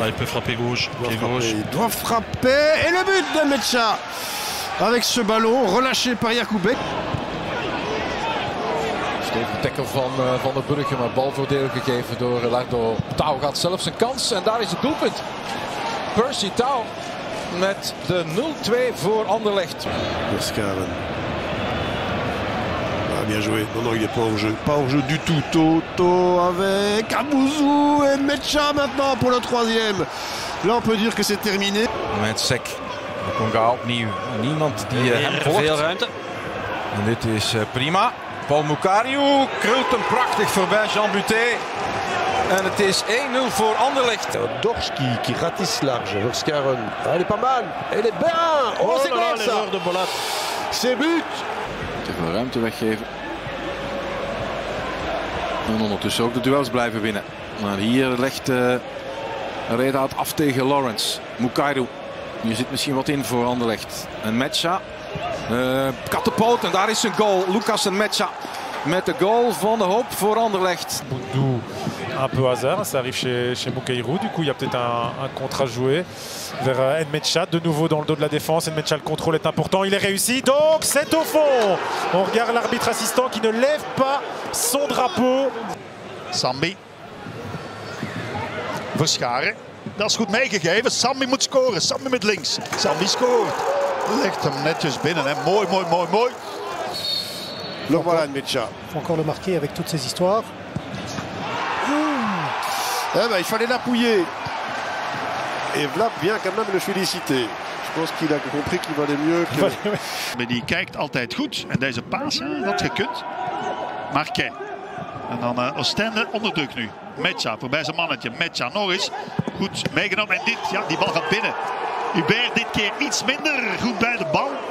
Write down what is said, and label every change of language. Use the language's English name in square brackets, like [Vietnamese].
[French] Ah, il peut frapper gauche. Doit frapper. Gauche. Il doit frapper. Et le but de Mecha. Avec ce ballon relâché par Yacoubek. [Dutch] Stevige tackle van de Brugge, maar balvoordeel gegeven door Lardo. Tau gaat zelf zijn kans en daar is het doelpunt. Percy Tau. Met de 0-2 voor Anderlecht. Verscharen. [French] Ah, bien joué. Non, non, il est pas hors jeu. Pas hors jeu du tout. Toto avec Abouzou et Mecha maintenant pour le troisième. Là, on peut dire que c'est terminé. [Dutch] Met Sek. Konga opnieuw. Niemand die hem volgt. Veel ruimte. En dit is prima. Paul Mukariu krult hem prachtig voorbij Jean Buté. En het is 1-0 voor Anderlecht. [French] Dorski, qui ratisse large. Verskaren. Ah, elle est pas mal. Elle est bien. Oh, c'est grave ça. Oh, de Bolat. C'est but. [Dutch] Te veel ruimte weggeven. En ondertussen ook de duels blijven winnen. Maar hier legt Reda het af tegen Lawrence. Mukairu. Hier zit misschien wat in voor Anderlecht. En Metsa. Katapult. En daar is zijn goal. Lucas en Metsa. Met de goal van de hoop voor Anderlecht. Boudou. [French] Un peu hasard, ça arrive chez Mukairu. Du coup, il y a peut-être un contre à jouer vers Nmecha. De nouveau dans le dos de la défense. Nmecha, le contrôle est important. Il est réussi. Donc, c'est au fond. On regarde l'arbitre assistant qui ne lève pas son drapeau. Sambi. [Dutch] Verscharen. Dat is goed meegegeven. Sambi moet scoren. Sambi met links. Sambi scoort. Legt hem netjes binnen. Hè. Mooi, mooi, mooi, mooi. [French] Le voilà, Nmecha. Faut encore le marquer avec toutes ces histoires. Eh ben, il fallait l'appuyer. Et Vlap vient quand même le féliciter. Je pense qu'il a compris qu'il valait mieux que... Mais il [Dutch] kijkt altijd goed. En deze paas, dat gekund. Marquet. En dan Oostende onder druk nu. Metsa, voorbij zijn mannetje. Metsa nog eens. Goed meegenomen. En dit, ja, die bal gaat binnen. Hubert dit keer iets minder goed bij de bal.